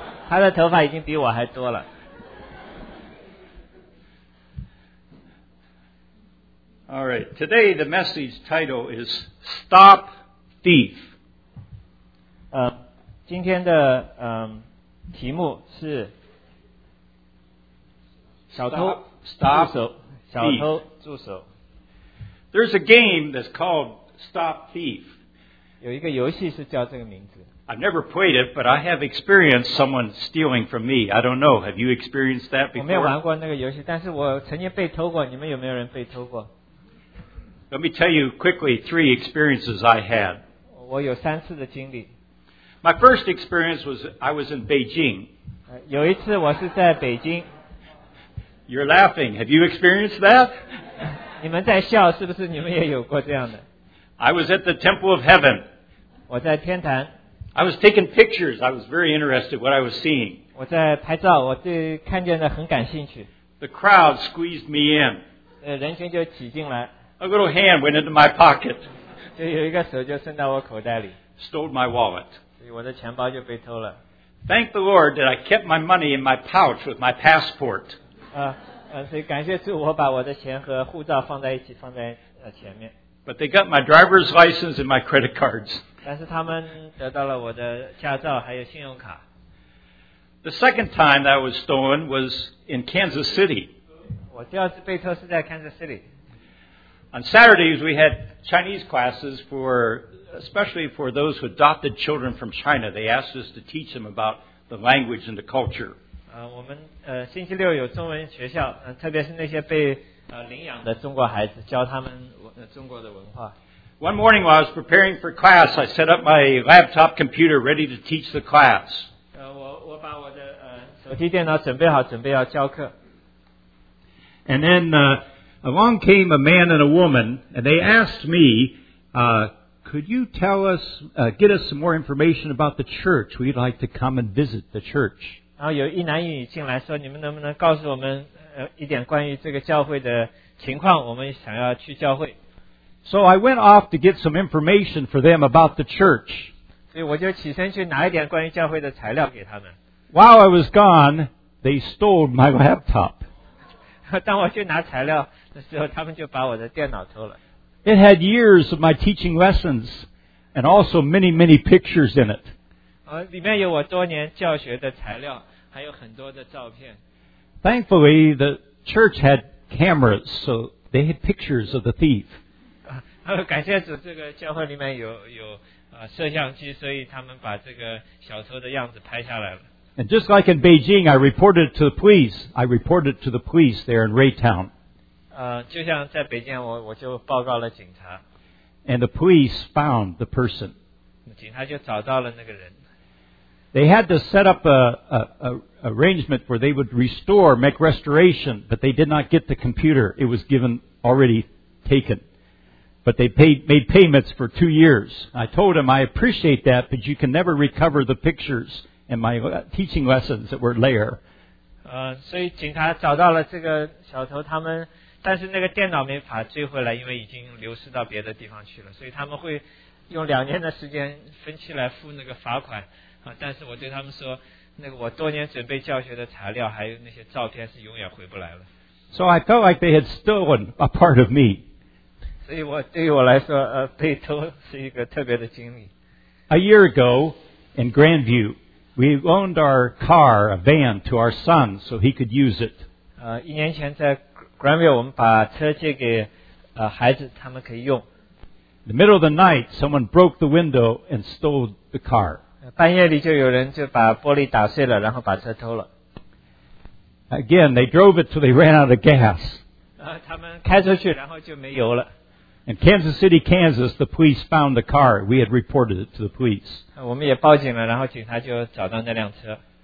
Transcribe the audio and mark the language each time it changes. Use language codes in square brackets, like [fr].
[zh] 她的头发已经比我还多了。 [en] All right, today the message title is Stop Thief. [zh] 今天的题目是小偷。 [en] Stop [zh] 住手，小偷住手。 [en] There's a game that's called Stop Thief. [zh] 有一个游戏是叫这个名字。 [en] I've never played it, but I have experienced someone stealing from me. I don't know. Have you experienced that before? [zh] 我没有玩过那个游戏，但是我曾经被偷过。你们有没有人被偷过？ [en] Let me tell you quickly three experiences I had. [zh] 我有三次的经历。 [en] My first experience was I was in Beijing. [zh] 有一次我是在北京。 [en] You're laughing. Have you experienced that? [zh] 你们在笑，是不是你们也有过这样的？ [en] I was at the Temple of Heaven. [zh] 我在天坛。 [en] I was taking pictures. I was very interested what I was seeing. [zh] 我在拍照，我对看见的很感兴趣。 [en] The crowd squeezed me in. [zh] 人群就挤进来。 [en] A little hand went into my pocket. [zh] 就有一个手就伸到我口袋里。 [en] Stole my wallet. [zh] 所以我的钱包就被偷了。 [en] Thank the Lord that I kept my money in my pouch with my passport. [zh] 所以感谢主，我把我的钱和护照放在一起，放在前面。 [en] But they got my driver's license and my credit cards. [zh] 但是他们得到了我的驾照还有信用卡。 [en] The second time that I was stolen was in Kansas City. [zh] 我第二次被偷是在 Kansas City. [en] On Saturdays we had Chinese classes especially for those who adopted children from China. They asked us to teach them about the language and the culture. [zh] 我们星期六有中文学校，特别是那些被领养的中国孩子，教他们中国的文化。 [en] One morning while I was preparing for class, I set up my laptop computer ready to teach the class. [zh] 我把我的手提电脑准备好，准备要教课。 [en] And then along came a man and a woman, and they asked me, could you tell us, get us some more information about the church? We'd like to come and visit the church. [zh] 然后有一男一女进来说，你们能不能告诉我们一点关于这个教会的情况，我们想要去教会。 [en] So I went off to get some information for them about the church. [zh] 所以我就起身去拿一点关于教会的材料给他们。 [en] While I was gone, they stole my laptop. [zh] 当我去拿材料的时候，他们就把我的电脑偷了。 [en] It had years of my teaching lessons and also many, many pictures in it. [zh] 里面有我多年教学的材料，还有很多的照片。 [en] Thankfully, the church had cameras, so they had pictures of the thief. [zh] 感谢主，这个教会里面有摄像机，所以他们把这个小偷的样子拍下来了。 [en] And just like in Beijing, I reported to the police. I reported to the police there in Raytown. [zh] 就像在北京，我就报告了警察。 [en] And the police found the person. [zh] 警察就找到了那个人。 [en] They had to set up an arrangement where they would restore, make restoration, but they did not get the computer. It was given, already taken. But they made payments for 2 years. I told him, I appreciate that, but you can never recover the pictures and my teaching lessons that were there. [zh] 所以警察找到了这个小偷他们，但是那个电脑没法追回来，因为已经流失到别的地方去了，所以他们会用两年的时间分期来付那个罚款。但是我对他们说，那个我多年准备教学的材料还有那些照片是永远回不来了。 [en] So I felt like they had stolen a part of me. [zh] 所以我对于我来说，被偷是一个特别的经历。 [en] A year ago in Grandview, we loaned our car, a van, to our son so he could use it. [zh] 一年前在 Grandview 我们把车借给孩子，他们可以用。 [en] In the middle of the night, someone broke the window and stole the car. [zh] 半夜里就有人就把玻璃打碎了，然后把车偷了。 [en] Again, they drove it till they ran out of gas. [zh] 他们开出去，然后就没油了。 [en] In Kansas City, Kansas, the police found the car. We had reported it to the police. [zh] 我们也报警了，然后警察就找到那辆车。